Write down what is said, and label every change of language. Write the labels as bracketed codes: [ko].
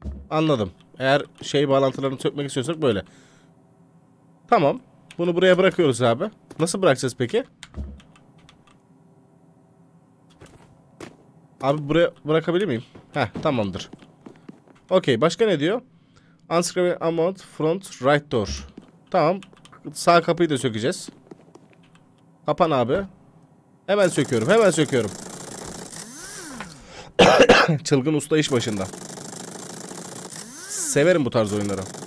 [tr] Anladım. Eğer şey bağlantılarını sökmek istiyorsak böyle. Tamam. Bunu buraya bırakıyoruz abi. Nasıl bırakacağız peki? Abi buraya bırakabilir miyim? Heh, tamamdır. Okey. Başka ne diyor? [en] Unscrew and unmount front right door. [tr] Tamam. Sağ kapıyı da sökeceğiz. Kapan abi. Hemen söküyorum. Hemen söküyorum. Çılgın usta iş başında. Severim bu tarz oyunları.